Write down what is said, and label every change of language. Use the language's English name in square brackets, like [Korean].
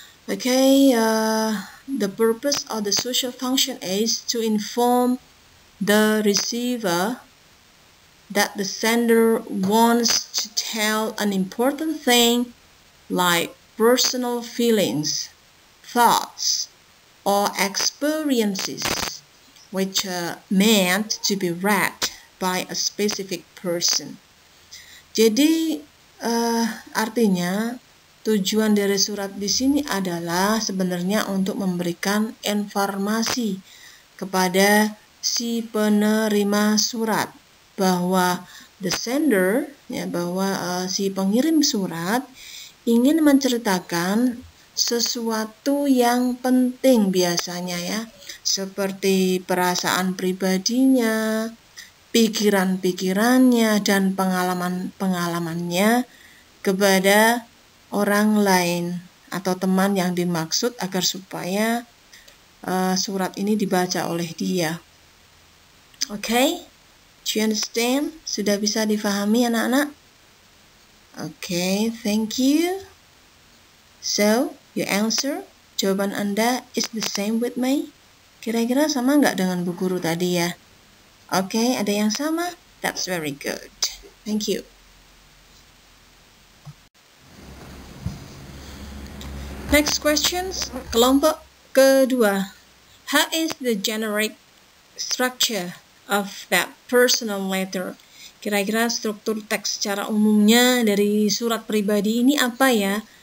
[English] Okay, the purpose or the social function is to inform the receiver that the sender wants to tell an important thing like personal feelings, thoughts, or experiences which are meant to be read by a specific person. [Indonesian] Jadi, artinya tujuan dari surat di sini adalah sebenarnya untuk memberikan informasi kepada si penerima surat bahwa [English] the sender, [Indonesian] ya, bahwa si pengirim surat ingin menceritakan sesuatu yang penting biasanya ya, seperti perasaan pribadinya, pikiran-pikirannya, dan pengalaman-pengalamannya kepada orang lain atau teman yang dimaksud agar supaya surat ini dibaca oleh dia. [English] Okay, do you understand? [Indonesian] Sudah bisa difahami anak-anak? [English] Okay, thank you. So, your answer, [Indonesian] jawaban Anda [English] is the same with me? [Indonesian] Kira-kira sama enggak dengan bu guru tadi ya? Okay, ada yang sama? [English] That's very good. Thank you. Next questions, [Indonesian] kelompok kedua. [English] How is the generic structure of that personal letter? [Indonesian] Kira-kira struktur teks secara umumnya dari surat pribadi ini apa ya?